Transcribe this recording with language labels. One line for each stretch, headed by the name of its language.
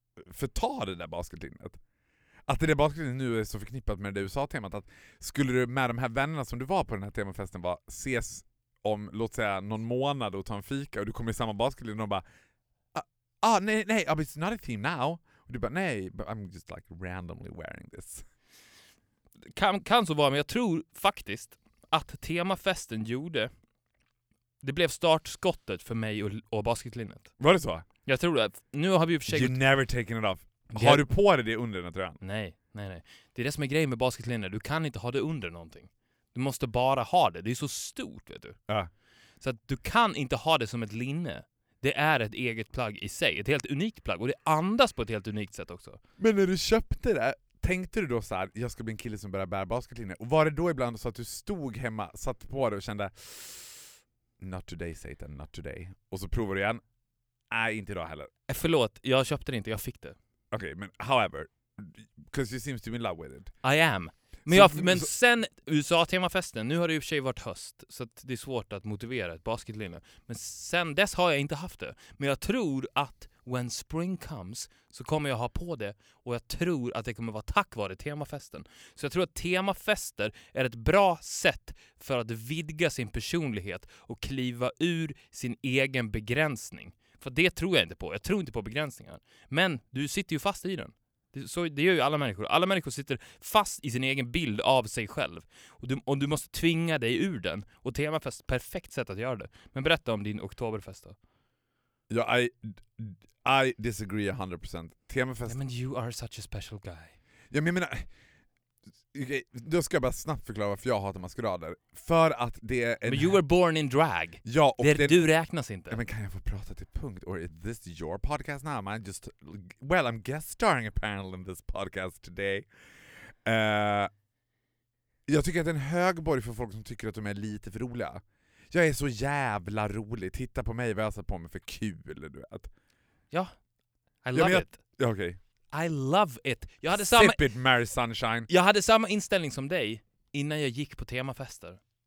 Swedish: förta det där basketlinnet. Att det där basketlinnet nu är så förknippat med det USA-temat, att skulle du med de här vännerna som du var på den här temafesten bara ses om, låt säga, någon månad och ta en fika och du kommer i samma basketlinje och bara nej,
English: but it's not a theme now.
Swedish: Och du bara, nej,
English: I'm just like randomly wearing this.
Swedish: Kan så vara, men jag tror faktiskt att temafesten gjorde, det blev startskottet för mig och basketlinnet. Var det så? Jag tror det. Nu har vi ju försökt...
English: You've never taken it off.
Swedish: Har du på dig det under den här tröjan? Nej. Det är det som är grejen med basketlinnet. Du kan inte ha det under någonting. Du måste bara ha det. Det är så stort, vet du. Så att du kan inte ha det som ett linne. Det är ett eget plagg i sig. Ett helt unikt plagg. Och det andas på ett helt unikt sätt också. Men när du köpte det, tänkte du då så här, jag ska bli en kille som börjar bära basketlinne. Och var det då ibland så att du stod hemma, satt på det och kände,
English: not today, Satan, not today.
Swedish: Och så provar du igen. Nej, inte idag heller. Förlåt, jag köpte det inte, jag fick det. Okej, men
English: however, because you seems to be in love with it. I am.
Swedish: Men sen USA-temafesten, nu har det ju i och för sig varit höst, så att det är svårt att motivera ett basketlinne. Men sen dess har jag inte haft det. Men jag tror att
English: when spring comes
Swedish: så kommer jag ha på det, och jag tror att det kommer vara tack vare temafesten. Så jag tror att temafester är ett bra sätt för att vidga sin personlighet och kliva ur sin egen begränsning. För det tror jag inte på. Jag tror inte på begränsningar. Men du sitter ju fast i den. Så det gör ju alla människor. Alla människor sitter fast i sin egen bild av sig själv. Och du måste tvinga dig ur den. Och temafest, perfekt sätt att göra det. Men berätta om din oktoberfest då.
English: Ja, I disagree 100%. Temafest... Men you are such a special guy.
Swedish: Ja, men jag menar... Okay, då ska jag bara snabbt förklara varför jag hatar maskerader. För att det är...
English: Men you were born in drag.
Swedish: Ja, och det... Du räknas inte. Ja, men kan jag få prata till punkt?
English: Or is this your podcast now? Am I just... Well, I'm guest starring apparently in this podcast today.
Swedish: Jag tycker att det är en högborg för folk som tycker att de är lite för roliga. Jag är så jävla rolig. Titta på mig, vad jag har satt på mig för kul, du vet.
English: Ja, I love it.
Swedish: Ja, okej. Okay.
English: I love it.
Swedish: Jag hade samma...
English: Sip it, Mary Sunshine.
Swedish: Jag hade samma inställning som dig innan jag gick på temafester.